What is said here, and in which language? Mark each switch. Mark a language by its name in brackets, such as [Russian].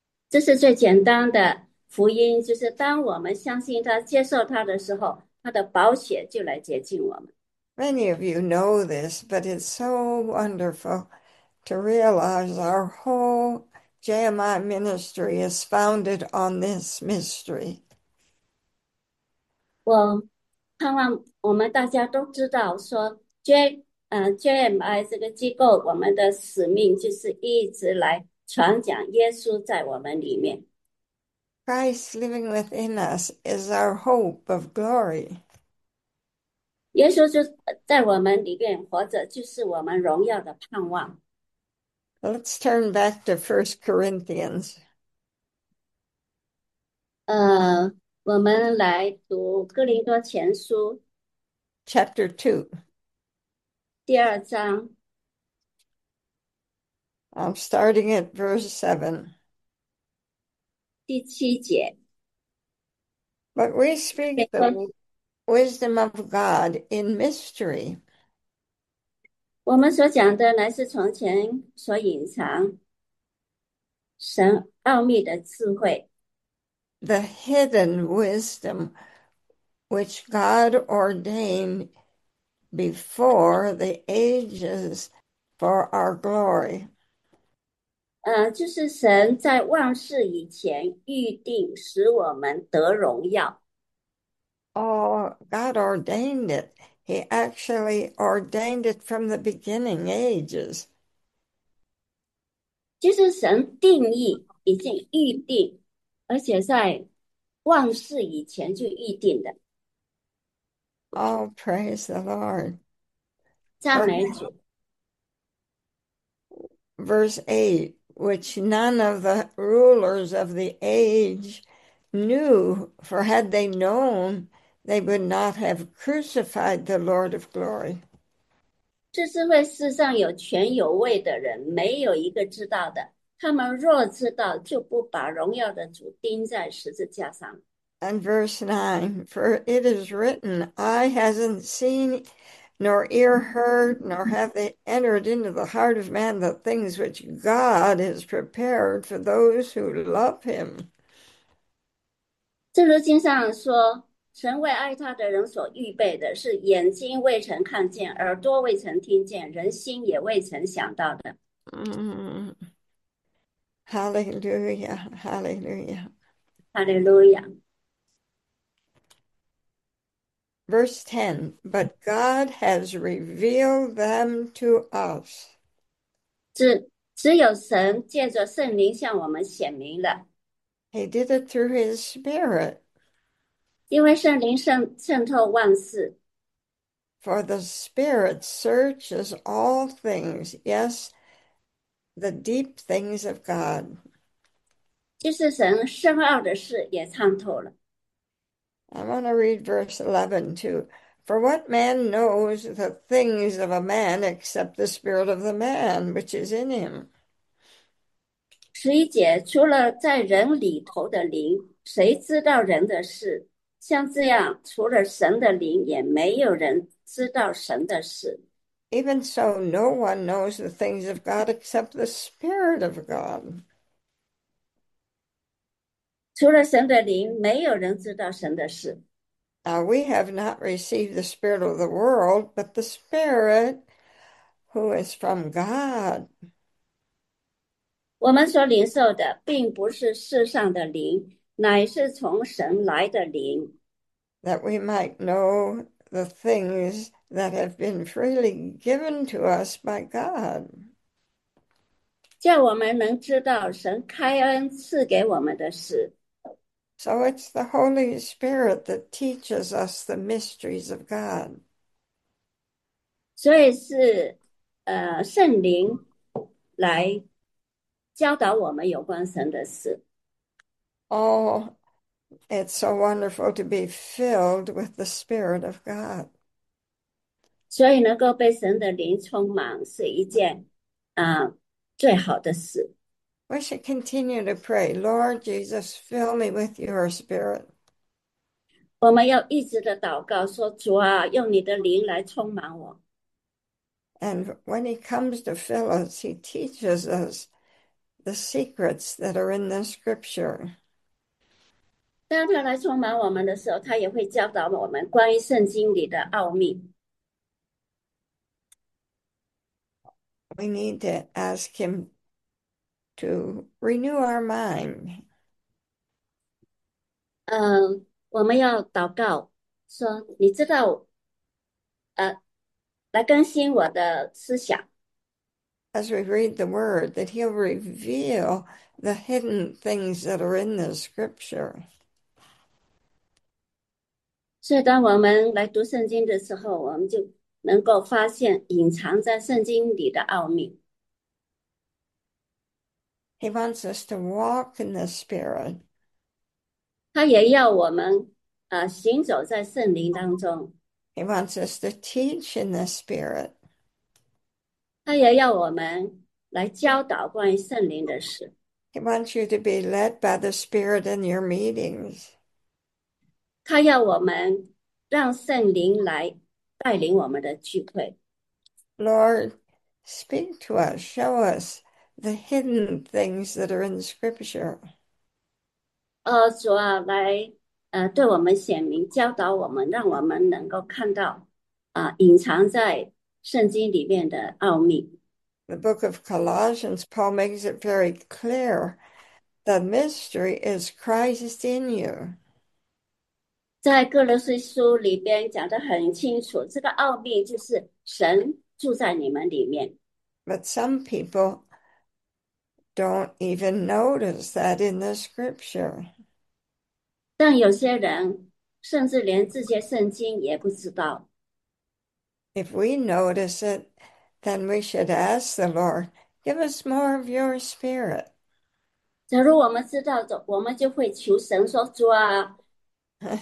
[Chinese] 这是最简单的福音，就是当我们相信他、接受他的时候，他的宝血就来洁净我们。 [English] Many of you know this, but it's so wonderful to realize our whole JMI ministry is founded on this mystery. [Chinese] 我盼望我们大家都知道说JMI 这个机构，我们的使命就是一直来传讲耶稣在我们里面。 [English] Christ living within us is our hope of glory. [Chinese] 耶稣就在我们里面活着，就是我们荣耀的盼望。 [English] Let's turn back to 1 Corinthians. [Chinese] 我们来读《哥林多前书 [English] Chapter 2. [Chinese] 》第二章。 [English] I'm starting at verse 7. [Chinese] 第七节。 [English] But we speak the wisdom of God in mystery. [Chinese] 我们所讲的乃是从前所隐藏神奥秘的智慧。 [English] The hidden wisdom which God ordained before the ages for our glory. [Chinese] 就是神在万事以前预定使我们得荣耀。 [English] Oh, God ordained it. He actually ordained it from the beginning ages. [Chinese] 就是神定义已经预定，而且在万事以前就预定的。 [English] Oh, praise the Lord. [Chinese] 赞美主。 [English] Verse 8, which none of the rulers of the age knew, for had they known, they would not have crucified the Lord of glory. [Chinese] 这是为世上有权有位的人，没有一个知道的。他们若知道，就不把荣耀的主钉在十字架上。 [English] And verse 9, for it is written, eye hasn't seen, nor ear heard, nor have they entered into the heart of man the things which God has prepared for those who love him. [Chinese] 正如经上说。神为爱他的人所预备的，是眼睛未曾看见，耳朵未曾听见，人心也未曾想到的。 [English] Hallelujah, hallelujah. [Chinese] 哈利路亚。 [English] Verse 10, but God has revealed them to us. [Chinese] 只有神借着圣灵向我们显明了。 [English] He did it through his Spirit. [Chinese] 因为圣灵渗透万事， [English] For the Spirit searches all things, yes, the deep things of God. [Chinese] 就是神深奥的事也参透了。 [English] I want to read verse 11 too. For what man knows the things of a man except the spirit of the man which is in him? [Chinese] 11节，除了在人里头的灵，谁知道人的事？像这样，除了神的灵，也没有人知道神的事。 [English] Even so, no one knows the things of God except the spirit of God. [Chinese] 除了神的灵，没有人知道神的事。 [English] Now, we have not received the Spirit of the world, but the Spirit who is from God. [Chinese] 我们所领受的，并不是世上的灵。乃是从神来的灵。 [English] That we might know the things that have been freely given to us by God. [Chinese] 叫我们能知道神开恩赐给我们的事。 [English] So it's the Holy Spirit that teaches us the mysteries of God. [Chinese] 所以是，圣灵来教导我们有关神的事。 [English] Oh, it's so wonderful to be filled with the Spirit of God. [Chinese] 所以能够被神的灵充满是一件，最好的事。 [English] We should continue to pray, Lord Jesus, fill me with your Spirit. [Chinese] 我们要一直的祷告，说主啊，用你的灵来充满我。 [English] And when he comes to fill us, he teaches us the secrets that are in the scripture. [Chinese] 当他来充满我们的时候，他也会教导我们关于圣经里的奥秘。 [English] We need to ask him to renew our mind. [Chinese] 我们要祷告，说你知道，来更新我的思想。 [English] As we read the word, that he'll reveal the hidden things that are in the scripture. [Chinese] 所以，当我们来读圣经的时候，我们就能够发现隐藏在圣经里的奥秘。 [English] He wants us to walk in the Spirit. [Chinese] 他也要我们行走在圣灵当中。 [English] He wants us to teach in the Spirit. [Chinese] 他也要我们来教导关于圣灵的事。 [English] He wants you to be led by the Spirit in your meetings. [Chinese] 他要我们让圣灵来带领我们的聚会。 [English] Lord, speak to us, show us the hidden things that are in Scripture. [Chinese] 主啊，来，对我们显明，教导我们，让我们能够看到，隐藏在圣经里面的奥秘。 [English] The book of Colossians, Paul makes it very clear, the mystery is Christ in you. [Chinese] 在哥罗西书里边讲得很清楚，这个奥秘就是神住在你们里面。 [English] But some people don't even notice that in the scripture. [Chinese] 但有些人甚至连这些圣经也不知道。 [English] If we notice it, then we should ask the Lord, give us more of your spirit. [Chinese] 假如我们知道，我们就会求神说：“主啊。”